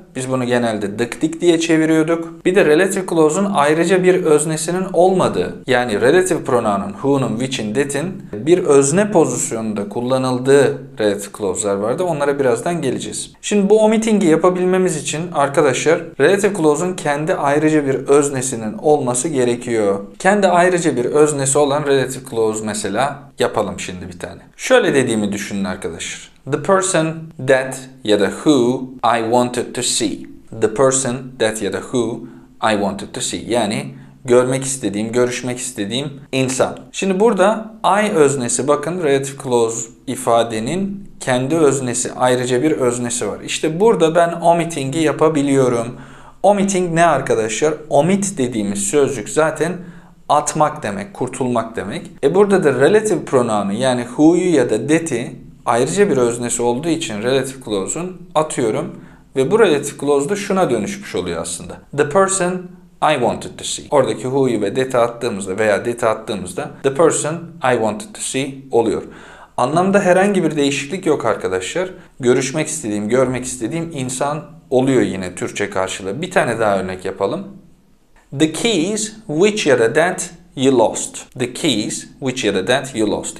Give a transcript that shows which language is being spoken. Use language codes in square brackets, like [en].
[tr] Biz bunu genelde dık-dik diye çeviriyorduk. Bir de relative clause'un ayrıca bir öznesinin olmadığı, yani relative pronoun'un, who'nun, which'in, that'in bir özne pozisyonunda kullanıldığı relative clause'lar vardı. Onlara birazdan geleceğiz. Şimdi bu omitting'i yapabilmemiz için arkadaşlar relative clause'un kendi ayrıca bir öznesinin olması gerekiyor. Kendi ayrıca bir öznesi olan relative clause mesela yapalım şimdi bir tane. Şöyle dediğimi düşünün arkadaşlar. [en] The person that [tr] ya da [en] who I wanted to see. The person that [tr] ya da [en] who I wanted to see. [tr] Yani görmek istediğim, görüşmek istediğim insan. Şimdi burada I öznesi, bakın relative clause ifadenin kendi öznesi, ayrıca bir öznesi var. İşte burada ben omitting'i yapabiliyorum. Omitting ne arkadaşlar? Omit dediğimiz sözcük zaten atmak demek, kurtulmak demek. E burada da relative pronoun'u, yani who'yu ya da that'i ayrıca bir öznesi olduğu için relative clause'un atıyorum ve bu relative clause da şuna dönüşmüş oluyor aslında. [en] The person I wanted to see. [tr] Oradaki who'yu ve that'i attığımızda veya that'i attığımızda [en] the person I wanted to see [tr] oluyor. Anlamda herhangi bir değişiklik yok arkadaşlar. Görüşmek istediğim, görmek istediğim insan oluyor yine Türkçe karşılığı. Bir tane daha örnek yapalım. [en] The keys which [tr] ya da [en] that you lost. The keys which [tr] ya da [en] that you lost.